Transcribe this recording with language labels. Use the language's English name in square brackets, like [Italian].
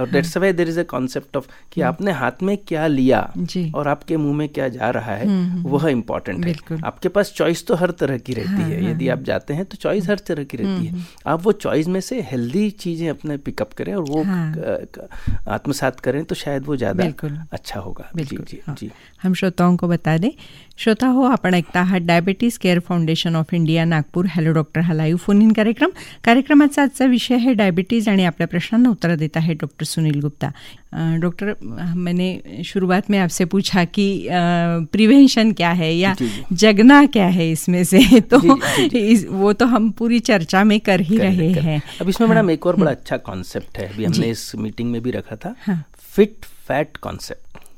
[Hindi] और [English] that's why there is a concept of [Hindi] कि आपने हाथ में क्या लिया और आपके मुंह में क्या जा रहा है वह इम्पोर्टेंट है. आपके पास चॉइस तो हर तरह की रहती है, यदि आप जाते हैं तो चॉइस हर तरह की रहती है, आप वो चॉइस में से हेल्दी चीजें अपने पिकअप करें और वो आत्मसात करें तो शायद वो ज्यादा अच्छा होगा. बिल्कुल जी, हम श्रोताओं को बता दें, [Marathi] श्रोता हो आपण ऐकता आहात diabetes care foundation of India Nagpur. Hello doctor, हा लाईव्ह फोन इन कार्यक्रम. कार्यक्रमाचा आजचा विषय आहे डायबिटीज आणि आपल्या प्रश्नांना उत्तर देत आहे डॉक्टर सुनील गुप्ता. [Hindi] डॉक्टर, मैंने शुरुआत में आपसे पूछा कि प्रिवेंशन क्या है या जगना क्या है इसमें से, तो वो तो हम पूरी चर्चा में कर ही रहे हैं. अब इसमें मैडम एक और बड़ा अच्छा कॉन्सेप्ट है, अभी हमने इस मीटिंग में भी रखा था, फिट फैट कॉन्सेप्ट.